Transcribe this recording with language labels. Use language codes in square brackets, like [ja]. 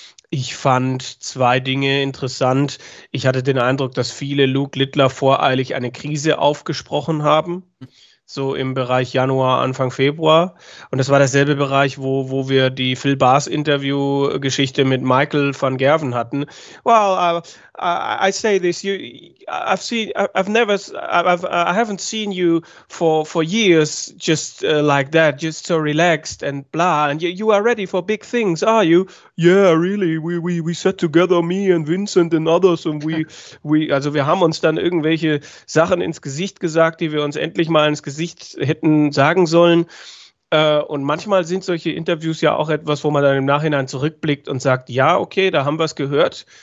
[de] Ich fand zwei Dinge interessant. Ich hatte den Eindruck, dass viele Luke Littler voreilig eine Krise aufgesprochen haben. So im Bereich Januar, Anfang Februar. Und das war derselbe Bereich, wo wir die Phil Bars-Interview-Geschichte mit Michael van Gerven hatten. [en] Well, I say this, you, I've seen, I've never, I've, I haven't seen you for years just like that, just so relaxed and blah. And you are ready for big things, are you? Yeah, really, we sat together, me and Vincent and others, and also [de] wir haben uns dann irgendwelche Sachen ins Gesicht gesagt, die wir uns endlich mal ins Gesicht hätten sagen sollen. Und manchmal sind solche Interviews ja auch etwas, wo man dann im Nachhinein zurückblickt und sagt, ja, okay, da haben wir es gehört.